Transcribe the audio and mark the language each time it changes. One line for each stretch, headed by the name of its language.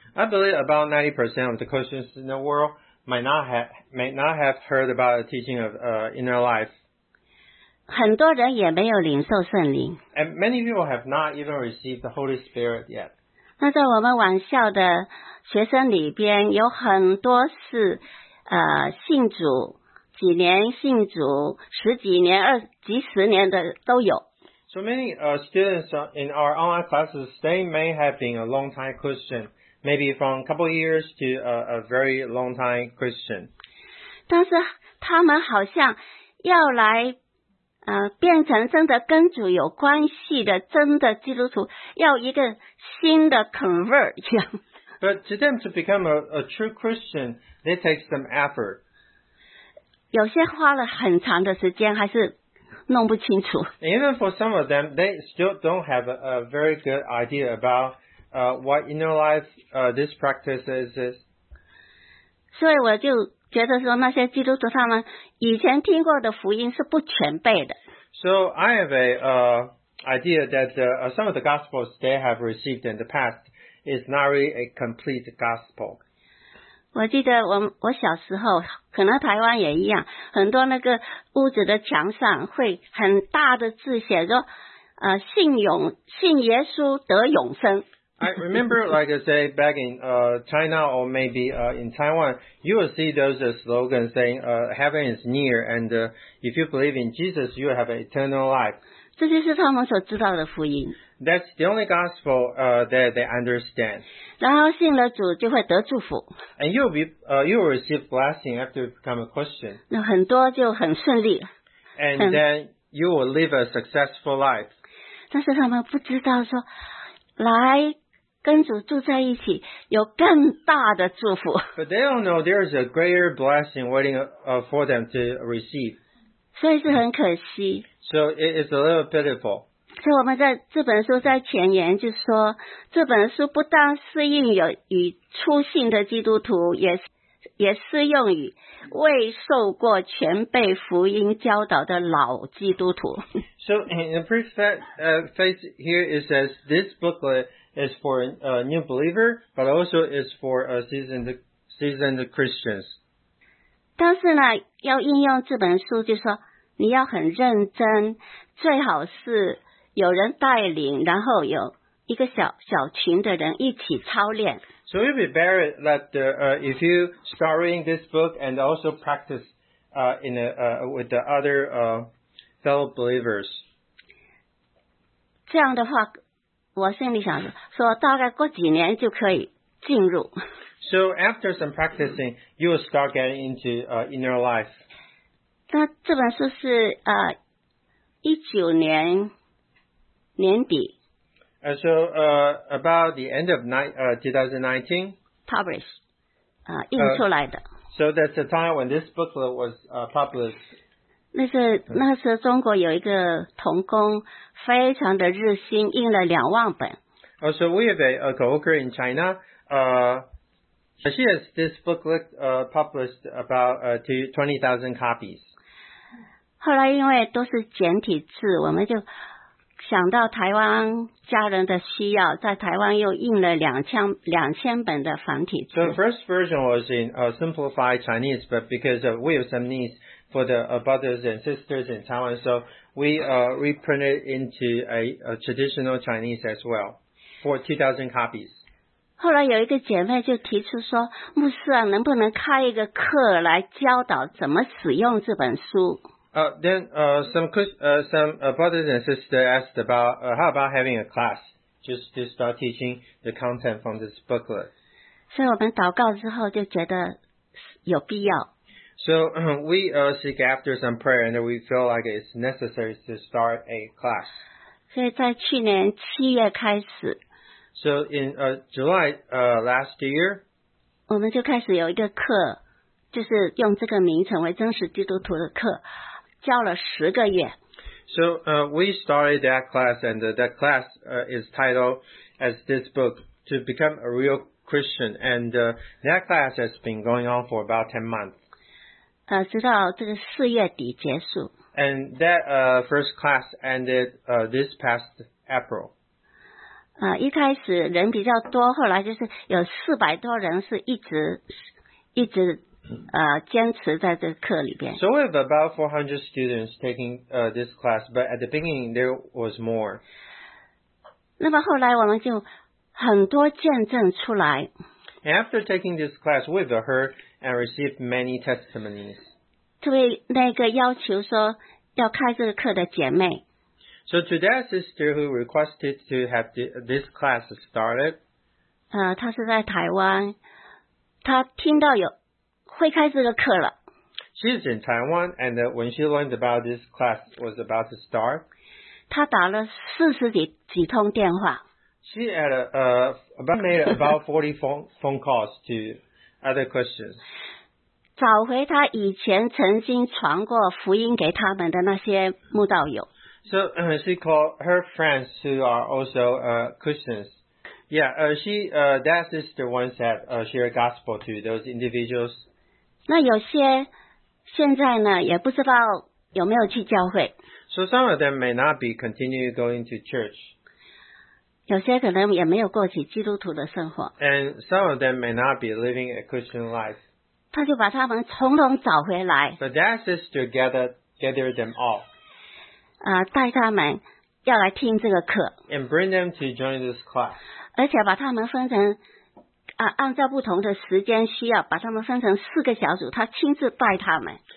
English: I believe about 90% of the Christians in the world may not have heard about the teaching of inner life.
Chinese: 很多人也没有领受圣灵。
English: And many people have not even received the Holy Spirit yet.
Chinese: 那在我们晚校的学生里边，有很多是信主几年，信主十几年、二几十年的都有。
English: So many students in our online classes, they may have been a long time Christian, maybe from a couple years to a very long time Christian.
Chinese: 但是他们好像要来。变成真的跟主有关系的真的基督徒，要一个新的 convert 这样。
English: But to them to become a true Christian, it takes them effort.
Chinese: 有些花了很长的时间，还是弄不清楚。
English: Even for some of them, they still don't have a very good idea about what inner life this practice is.
Chinese: 所以我就。觉得说那些基督徒他们以前听过的福音是不全备的。
English: So I have a idea that some of the gospels they have received in the past is not really a complete gospel.
Chinese: 我记得我小时候，可能台湾也一样，很多那个屋子的墙上会很大的字写着，信耶稣得永生。
English: I remember, like I say, back in China or maybe in Taiwan, you will see those slogans saying, heaven is near, and if you believe in Jesus, you will have an eternal life.
Chinese: 这就是他们所知道的福音。
English: That's the only gospel that they understand.
Chinese: 然后信了主就会得祝福。
English: And you will receive blessing after you become a Christian.
Chinese: 那很多就很顺利。
English: And then you will live a successful life.
Chinese: 但是他们不知道说来跟主住在一起有更大的祝福。
English: But they don't know there is a greater blessing waiting for them to receive.
Chinese: 所以是很可惜。
English: So it is a little pitiful.
Chinese: 所以我们在这本书在前言就说，这本书不但适应有与初信的基督徒，也适用于未受过全备福音教导的老基督徒。
English: So in the preface here it says this booklet is for a new believer, but also is for a seasoned Christians.
Chinese: 但是呢，要应用这本书，就说你要很认真，最好是有人带领，然后有一个小群的人一起操练。
English: So it would be better that if you start reading this book and also practice with the other fellow believers.
Chinese: 这样的话，我心里想说，大概过几年就可以进入。
English: So after some practicing, you will start getting into inner life.
Chinese: 那这本书是19年年底。
English: About the end of 2019. Published.
Chinese: 印出来的。
English: So that's the time when this booklet was published.
Chinese: 那时中国有一个童工非常的热心，印了20,000本。
English: So we have a co-worker in China. She has this booklet published about 20,000 copies.
Chinese: 后来因为都是简体字，我们就想到台湾家人的需要，在台湾又印了2,000本的繁体字。
English: So the first version was in simplified Chinese, but because we have some needs for the brothers and sisters in Taiwan, so we reprinted into a traditional Chinese as well for 2,000 copies.
Chinese: 后来有一个姐妹就提出说，牧师啊，能不能开一个课来教导怎么使用这本书？
English: Then some brothers and sisters asked about how about having a class just to start teaching the content from this booklet.
Chinese: 所以我们祷告之后就觉得有必要。
English: So we seek after some prayer and we feel like it's necessary to start a class.
Chinese: 所以在去年七月开始。
English: So in July last year,
Chinese: 我们就开始有一个课，就是用这个名称为真实基督徒的课。教了十个月。
English: So we started that class, and that class is titled as this book, To Become a Real Christian, and that class has been going on for about 10 months.
Chinese: 直到这个四月底结束。
English: And that first class ended this past April.
Chinese: 一开始人比较多，后来就是有400多人是一直坚持在这个课里边。
English: So we have about 400 students taking this class, but at the beginning there was more.
Chinese: 那么后来我们就很多见证出来。
English: And after taking this class, we've heard and received many testimonies.
Chinese: 特别那个要求说要开这个课的姐妹。
English: So to that sister who requested to have this class started.
Chinese: 她是在台湾，她听到有。会开这个课了。
English: She's in Taiwan, and when she learned about this class was about to start,
Chinese: 她打了40几通电话。
English: She had made about 40 phone calls to other Christians.
Chinese: 找回她以前曾经传过福音给他们的那些慕道友。
English: So she called her friends who are also Christians. That sister once had shared gospel to those individuals.
Chinese: 那有些现在呢也不知道有没有去教会。
English: So some of them may not be continuing going to church.
Chinese: 有些可能也没有过起基督徒的生活。
English: And some of them may not be living a Christian life.
Chinese: 他就把他们统统找回来。
English: But that sister gathered them all.
Chinese: 带他们要来听这个课。
English: And bring them to join this class.
Chinese: 而且把他们分成按照不同的时间需要把他们分成四个小组，他亲自带他们。